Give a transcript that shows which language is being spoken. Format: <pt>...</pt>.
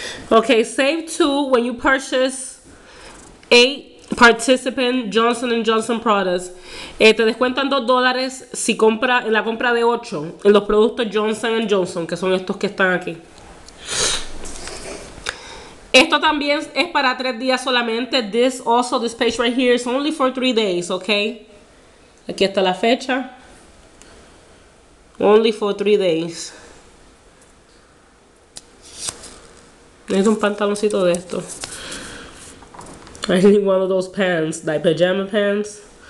<en>Okay, save two when you purchase 8 participant Johnson & Johnson products.</en> <es>Te descuentan $2 si compra en la compra de 8 en los productos Johnson & Johnson, que son estos que están aquí. Esto también es para 3 días solamente.</es> <en>This also, this page right here is only for 3 days, okay?</en> <es>Aquí está la fecha.</es> <en>Only for 3 days.</en> <es>Es un pantaloncito de esto.</es> <en>I need one of those pants, like pajama pants.</en>